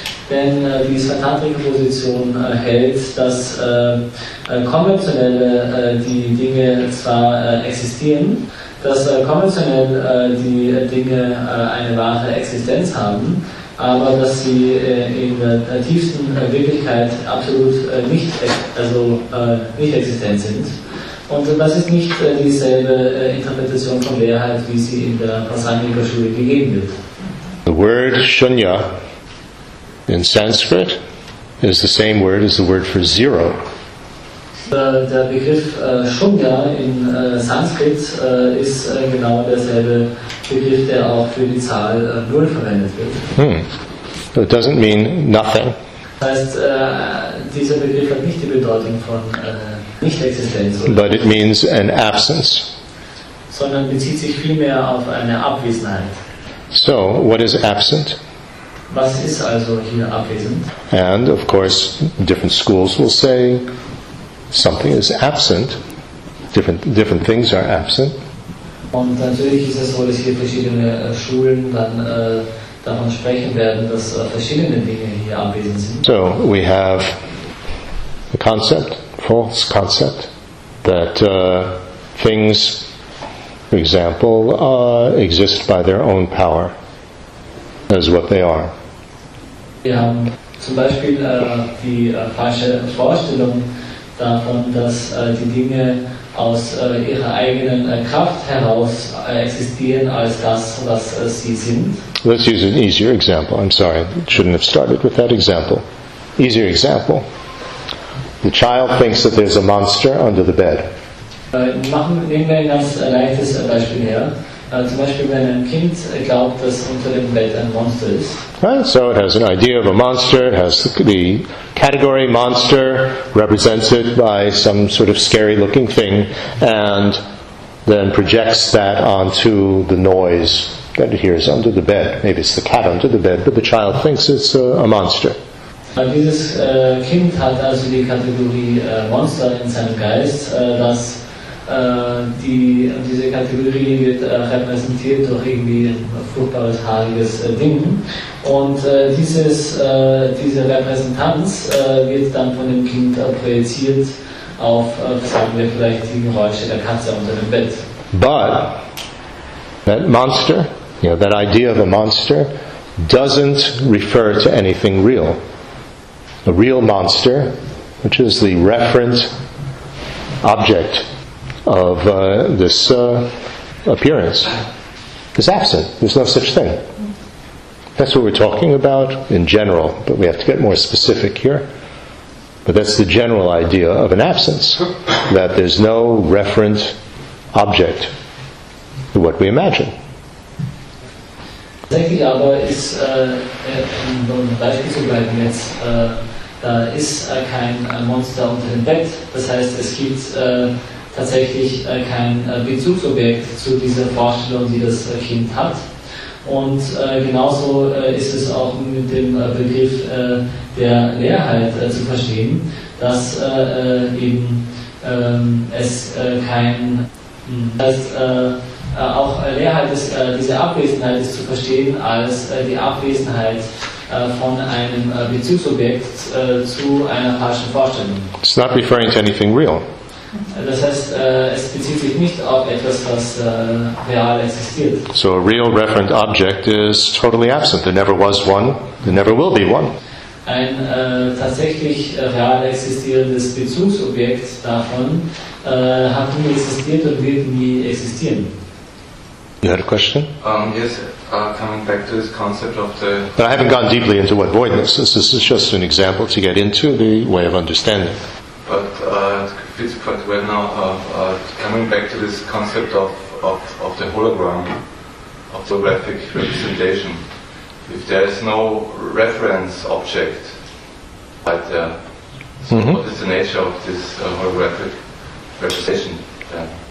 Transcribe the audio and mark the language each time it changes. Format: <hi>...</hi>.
<de>Denn die Svatantrika-Position hält, dass konventionelle die Dinge zwar existieren, dass konventionell die Dinge eine wahre Existenz haben, aber dass sie in der tiefsten Wirklichkeit absolut nicht existent sind. Und das ist nicht dieselbe Interpretation von Leerheit, wie sie in der Prasangika-Schule gegeben wird.</de> <en>The word shunya in Sanskrit is the same word as the word for zero.</en> <de>Der Begriff Shunya in Sanskrit ist genau derselbe Begriff, der auch für die Zahl Null verwendet wird.</de> <en>It doesn't mean nothing.</en> <de>Das heißt, dieser Begriff hat nicht die Bedeutung von Nicht-Existenz.</de> <en>But it means an absence.</en> <de>Sondern bezieht sich vielmehr auf eine Abwesenheit.</de> <en>So, what is absent?</en> <de>Was ist also hier abwesend?</de> <en>And, of course, different schools will say something is absent. Different things are absent.</en> <de>Und natürlich ist es so, dass hier verschiedene Schulen dann davon sprechen werden, dass verschiedene Dinge hier abwesend sind.</de> <en>So we have a concept, false concept, that things, for example, exist by their own power as what they are.</en> <de>Wir haben zum Beispiel die falsche Vorstellung davon, dass die Dinge aus ihrer eigenen Kraft heraus existieren als das, was sie sind.</de> <en>Let's use an easier example. I'm sorry, shouldn't have started with that example. Easier example. The child thinks that there's a monster under the bed.</en> <de>Nehmen wir ein ganz leichtes Beispiel her. Zum Beispiel, wenn ein Kind glaubt, dass unter dem Bett ein Monster ist.</de> <en>Right, so it has an idea of a monster, it has the category monster, represents it by some sort of scary looking thing, and then projects that onto the noise that it hears under the bed. Maybe it's the cat under the bed, but the child thinks it's a monster.</en> <de>Dieses Kind hat also die Kategorie Monster in seinem Geist, dass diese Kategorie wird repräsentiert durch irgendwie ein furchtbares, haariges Ding. Und diese Repräsentanz wird dann von dem Kind projiziert auf, sagen wir vielleicht, die Geräusche der Katze unter dem Bett.</de> <en>But that monster, you know, that idea of a monster doesn't refer to anything real. A real monster, which is the referent object of this appearance, is absent. There's no such thing. That's what we're talking about in general, but we have to get more specific here. But that's the general idea of an absence, that there's no referent object to what we imagine.</en> <de>Tatsächlich aber ist, um Beispiel zu bleiben jetzt, da ist kein Monster unter dem Bett. Das heißt, es gibt tatsächlich kein Bezugsobjekt zu dieser Vorstellung, die das Kind hat. Und genauso ist es auch mit dem Begriff der Leerheit zu verstehen, dass auch Leerheit ist, diese Abwesenheit ist zu verstehen als die Abwesenheit von einem Bezugsobjekt zu einer falschen Vorstellung.</de> <en>It's not referring to anything real.</en> <de>Das heißt, es bezieht sich nicht auf etwas, was real existiert.</de> <en>So a real referent object is totally absent. There never was one, there never will be one.</en> <de>Ein tatsächlich real existierendes Bezugsobjekt davon hat nie existiert und wird nie existieren.</de> <en>You had a question? Yes, coming back to this concept of the... But I haven't gone deeply into what voidness is. This is just an example to get into the way of understanding. But fits quite well now. Coming back to this concept of the hologram, of the graphic representation, if there is no reference object right there, so what is the nature of this holographic representation then?</en>